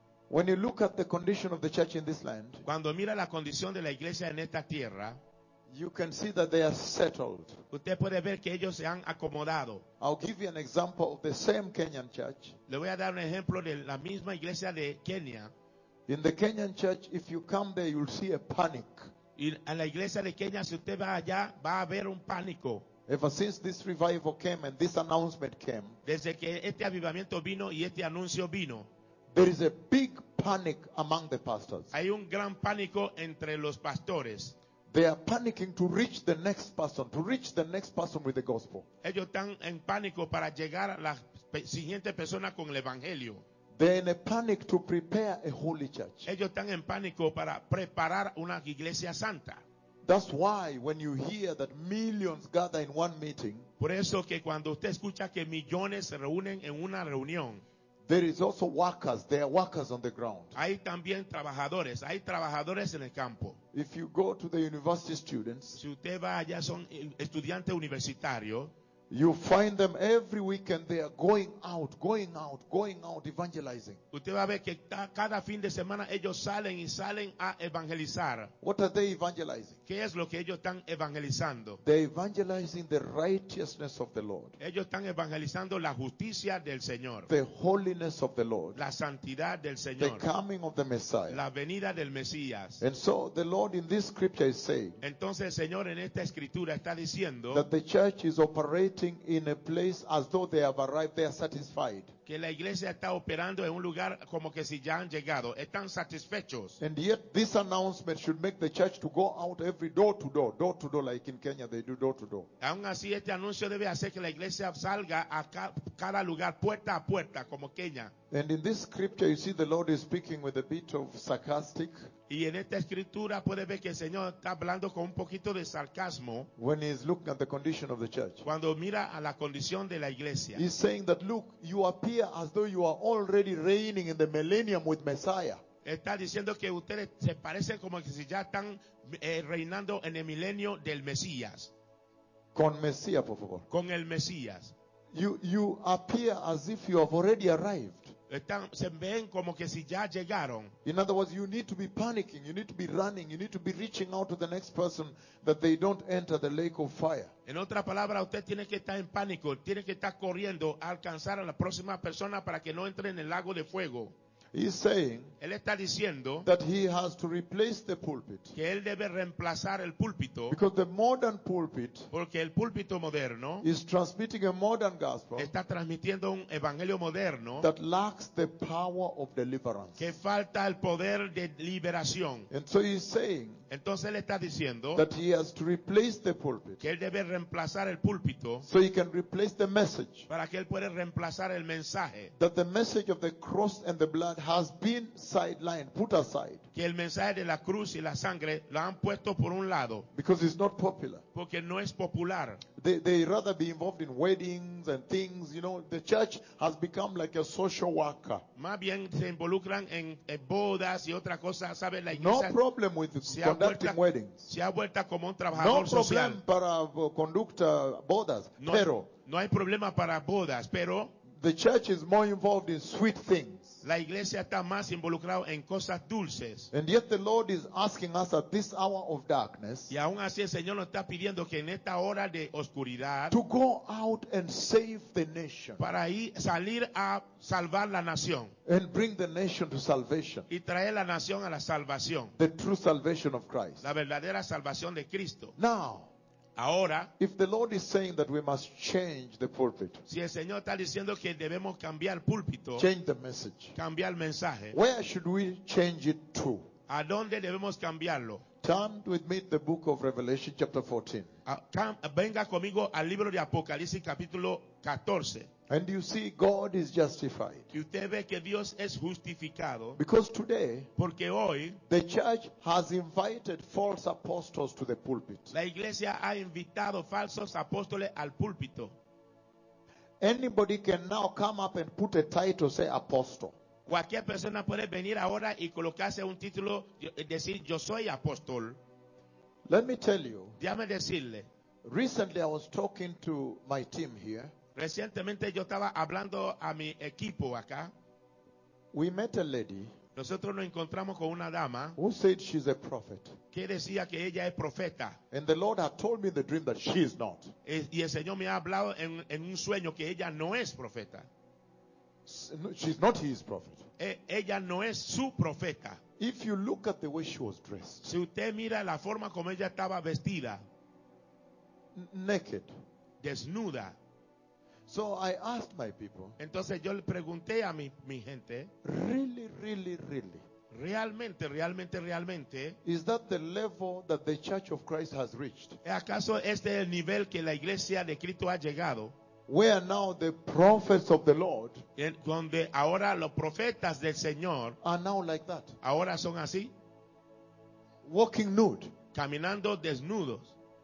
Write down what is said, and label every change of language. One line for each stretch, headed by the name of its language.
English: When you look at the condition of the church in this land,
Spanish: cuando mira la condición de la iglesia en esta tierra,
English: you can see that they are settled.
Spanish: Usted puede ver que ellos se han acomodado.
English: I'll give you an example of the same Kenyan church.
Spanish: Le voy a dar un ejemplo de la misma iglesia de Kenia.
English: In the Kenyan church, if you come there, you'll see a panic.
Spanish: Y en la iglesia de Kenia, si usted va allá, va a haber un pánico.
English: Ever since this revival came and this announcement came,
Spanish: desde que este avivamiento vino y este anuncio vino,
English: there is a big panic among the pastors.
Spanish: Hay un gran pánico entre los pastores.
English: They are panicking to reach the next person, to reach the next person with the gospel.
Spanish: Ellos están en pánico para llegar a la siguiente persona con el evangelio.
English: They're in a panic to prepare a holy church.
Spanish: Ellos están en pánico para preparar una iglesia santa.
English: That's why when you hear that millions gather in one meeting,
Spanish: por eso que cuando usted escucha que millones se reúnen en una reunión,
English: there is also workers, there are workers on the ground.
Spanish: Hay también trabajadores, hay trabajadores en el campo.
English: If you go to the university students,
Spanish: si usted va allá son estudiantes universitarios,
English: you find them every weekend, they are going out, evangelizing.
Spanish: Usted va a ver que cada fin de semana ellos salen y salen a evangelizar.
English: What are they evangelizing?
Spanish: ¿Qué es lo que ellos están evangelizando?
English: They're evangelizing the righteousness of the Lord.
Spanish: Ellos están evangelizando la justicia del Señor.
English: The holiness of the Lord.
Spanish: La santidad del Señor.
English: The coming of the Messiah.
Spanish: La venida del Mesías.
English: And so the Lord in this scripture is saying,
Spanish: entonces el Señor en esta escritura está diciendo,
English: that the church is operating in a place as though they have arrived, they are satisfied.
Spanish: Que la iglesia está operando en un lugar como que si ya han llegado, están satisfechos.
English: And yet this announcement should make the church to go out every door to door, like in Kenya they do door to door.
Spanish: Aún así, este anuncio debe hacer que la iglesia salga a cada lugar, puerta a puerta, como Kenia.
English: And in this scripture, you see the Lord is speaking with a bit of sarcastic.
Spanish: Y en esta escritura puede ver que el Señor está hablando con un poquito de sarcasmo.
English: When he is looking at the condition of the church.
Spanish: Cuando mira a la condición de la iglesia.
English: He's saying that, look, you appear appear as though you are already reigning in the millennium with Messiah.
Spanish: Está diciendo que ustedes se parecen como que si ya están reinando en el milenio del Mesías. Con Mesías, por favor. Con el Mesías.
English: You appear as if you have already arrived.
Spanish: Están, se ven como que si ya llegaron.
English: In other words, you need to be panicking, you need to be running, you need to be reaching out to the next person that they don't enter the lake of fire.
Spanish: En otra palabra, usted tiene que estar en pánico, tiene que estar corriendo a alcanzar a la próxima persona para que no entre en el lago de fuego.
English: He's saying,
Spanish: él está diciendo,
English: that he has to replace the pulpit,
Spanish: que él debe reemplazar el púlpito,
English: because the modern pulpit,
Spanish: porque el púlpito moderno,
English: is transmitting a modern gospel,
Spanish: está transmitiendo un evangelio moderno,
English: that lacks the power of deliverance,
Spanish: que falta el poder de liberación.
English: And so he's saying,
Spanish: entonces él está diciendo,
English: that he has to replace the pulpit,
Spanish: que él debe reemplazar el púlpito,
English: so he can replace the message,
Spanish: para que él pueda reemplazar el mensaje,
English: that the message of the cross and the blood has been sidelined, put aside.
Spanish: Que el mensaje de la cruz y la sangre lo han puesto por un lado.
English: Because it's not popular.
Spanish: Porque no es popular.
English: They rather be involved in weddings and things. You know, the church has become like a social worker.
Spanish: Más bien se involucran en bodas y otras cosas, ¿sabes? La iglesia.
English: No problem with conducting weddings.
Spanish: Se ha vuelto como un trabajador social. No
English: problem
Spanish: para conducta bodas, no, pero. No hay problema para bodas, pero.
English: The church is more involved in sweet things.
Spanish: La iglesia está más involucrada en cosas dulces.
English: And yet the Lord is asking us at this hour of darkness.
Spanish: Y aún así el Señor nos está pidiendo que en esta hora de oscuridad.
English: To go out and save the nation.
Spanish: Para ir salir a salvar la nación.
English: And bring the nation to salvation.
Spanish: Y traer la nación a la salvación.
English: The true salvation of Christ.
Spanish: La verdadera salvación de Cristo.
English: Now.
Spanish: Ahora,
English: if the Lord is saying that we must change the pulpit,
Spanish: si el Señor está diciendo que debemos cambiar el púlpito,
English: change the message,
Spanish: cambiar el mensaje,
English: where should we change it to?
Spanish: ¿A dónde debemos cambiarlo?
English: Turn with me to the book of Revelation chapter 14.
Spanish: Venga conmigo al libro de Apocalipsis capítulo 14.
English: And you see, God is justified.
Spanish: Y usted ve que Dios es justificado.
English: Because today,
Spanish: porque hoy,
English: the church has invited false apostles to the pulpit.
Spanish: La iglesia ha invitado falsos apóstoles al púlpito.
English: Anybody can now come up and put a title, say apostle.
Spanish: Cualquier persona puede venir ahora y colocarse un título y decir yo soy apóstol.
English: Let me tell you.
Spanish: Déjame decirle.
English: Recently, I was talking to my team here.
Spanish: Recientemente yo estaba hablando a mi equipo acá.
English: We met a lady.
Spanish: Nosotros nos encontramos con una dama.
English: Who said she's a prophet?
Spanish: Que decía que ella es profeta.
English: And the Lord had told me in the dream that she is not.
Spanish: Y el Señor me ha hablado en un sueño que ella no es profeta.
English: She's not his prophet.
Spanish: Ella no es su profeta.
English: If you look at the way she was dressed.
Spanish: Si usted mira la forma como ella estaba vestida.
English: Naked.
Spanish: Desnuda.
English: So I asked my people.
Spanish: Entonces yo le pregunté a mi gente.
English: Really, really, really.
Spanish: Realmente, realmente, realmente.
English: Is that the level that the Church of Christ has reached?
Spanish: ¿Acaso este es el nivel que la Iglesia de Cristo ha llegado?
English: Where now the prophets of the Lord?
Spanish: Donde ahora los profetas del Señor.
English: Are now like that.
Spanish: Ahora son así.
English: Walking nude.
Spanish: Caminando desnudos.